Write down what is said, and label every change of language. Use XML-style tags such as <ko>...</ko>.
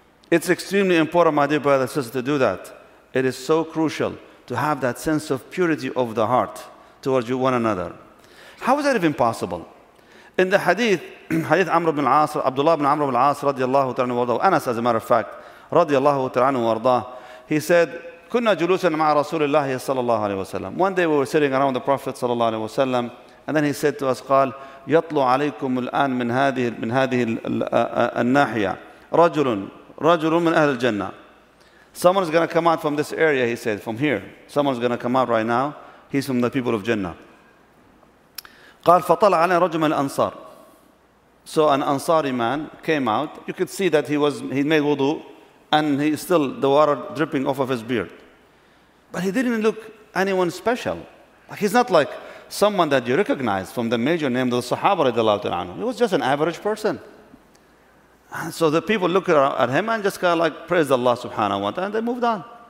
<en>It's extremely important, my dear brother and sister, to do that. It is so crucial to have that sense of purity of the heart towards you one another. How is that even possible? In the hadith, hadith Amr ibn al-As, Abdullah ibn Amr ibn al-As, radiallahu ta'ala anhu warda, Anas, as a matter of fact, radiallahu ta'ala anhu warda, he said,</en> <ar>كنا جلوسا مع رسول الله صلى الله عليه وسلم.</ar> <en>One day we were sitting around the Prophet صلى الله عليه وسلم, and then he said to us,</en> <ar>قال يطلع عليكم الآن من هذه الناحية رجل من أهل الجنة.</ar> <en>Someone is going to come out from this area, he said, from here. Someone is going to come out right now. He's from the people of Jannah.</en> <ar>قال فطلع عليه رجل من الأنصار.</ar> <en>So an Ansari man came out. You could see that he made wudu, and he still the water dripping off of his beard. But he didn't look anyone special. Like he's not like someone that you recognize from the major name of the Sahaba radiallahu ta'ala anhu. He was just an average person. And so the people looked at him and just kind of like praised Allah subhanahu wa ta'ala and they moved on.</en>